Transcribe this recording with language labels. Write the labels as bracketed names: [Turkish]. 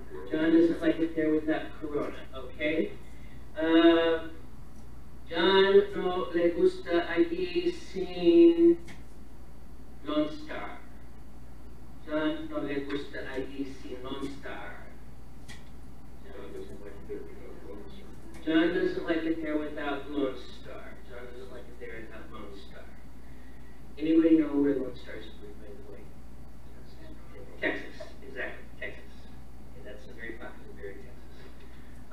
[English] John doesn't like it there without corona, okay? [Spanish] John no le gusta allí sin Lone Star. John no le gusta allí sin Lone Star. [English] John doesn't like it there without Lone Star. John doesn't like it there without Lone Star. Anybody know where Lone Star is, by the way? Texas. Exactly. Texas. Okay, that's a very popular area in Texas.